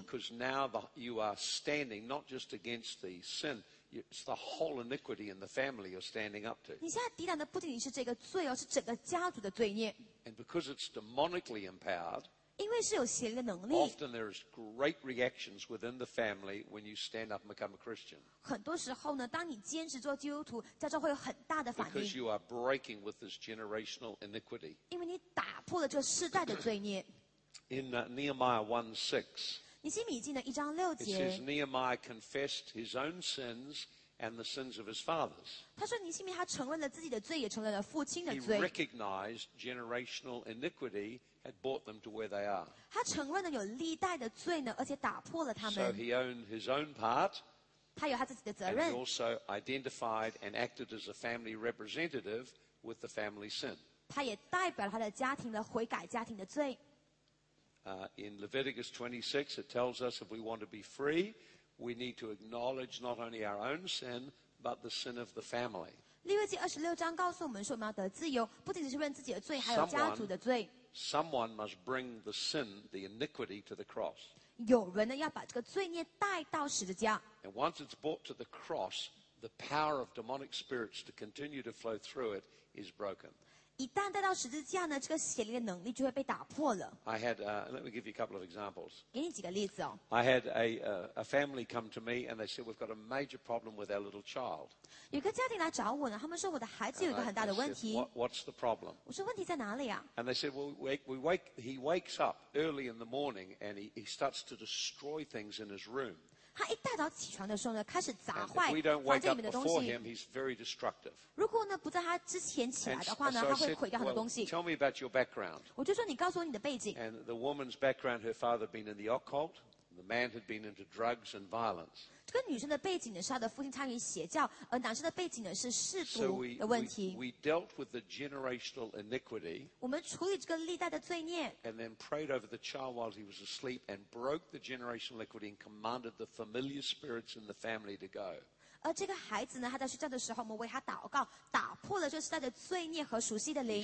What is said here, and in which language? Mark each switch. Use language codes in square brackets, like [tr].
[en] Because now you are standing not just against the sin. It's the whole iniquity in the family you're standing up to. [zh] 你现在抵挡的不仅仅是这个罪哦，是整个家族的罪孽。 [en] And because it's demonically empowered, [zh] 因为是有邪灵的能力。 [en] Often there is great reactions within the family when you stand up and become a Christian. [zh] 很多时候呢，当你坚持做基督徒，家中会有很大的反应。 [en] Because you are breaking with this generational iniquity. [zh] 因为你打破了这个世代的罪孽。 [en] In Nehemiah 1:6. [zh] 尼希米记呢一章六节。 [en] It says Nehemiah confessed his own sins and the sins of his fathers. [zh] 他说尼希米他承认了自己的罪，也承认了父亲的罪。 [en] He recognized generational iniquity had brought them to where they are. [zh] 他承认了有历代的罪呢，而且打破了他们。 [en] So he owned his own part. [zh] 他有他自己的责任。 [en] And he also identified and acted as a family representative with the family sin. [zh] 他也代表了他的家庭的悔改家庭的罪。 [en] In Leviticus 26, it tells us if we want to be free, we need to acknowledge not only our own sin, but the sin of the family. [zh] 利未记二十六章告诉我们说，我们要得自由，不仅仅是认自己的罪，还有家族的罪。 [en] Someone must bring the sin, the iniquity, to the cross. [zh] 有人呢要把这个罪孽带到十字架。 [en] And once it's brought to the cross, the power of demonic spirits to continue to flow through it is broken. [zh] 一旦带到十字架呢，这个邪灵的能力就会被打破了。 [en] I had, let me give you a couple of examples. [zh] 给你几个例子哦。 [en] I had a family come to me and they said we've got a major problem with our little child. [zh] 有个家庭来找我呢，他们说我的孩子有一个很大的问题。 [en] I said, what's the problem? [zh] 我说问题在哪里啊？ [en] And they said, well, he wakes up early in the morning and he starts to destroy things in his room. [zh] 他一大早起床的时候呢，开始砸坏房间里面的东西。 [en] And if we don't wake up before him, he's very destructive. [zh] 如果呢不在他之前起来的话呢，他会毁掉很多东西。 [en] Tell me about your background. [zh] 我就说你告诉我你的背景。 [en] And the woman's background, her father had been in the occult. The man had been into drugs and violence. [zh] 这个女生的背景呢是她的父亲参与邪教，而男生的背景呢是嗜赌的问题。 [en] So we dealt with the generational iniquity. [zh] 我们处理这个历代的罪孽。 [en] And then prayed over the child while he was asleep and broke the generational iniquity and commanded the familiar spirits in the family to go. [zh] 而这个孩子呢，他在睡觉的时候，我们为他祷告，打破了这世代的罪孽和属性的灵。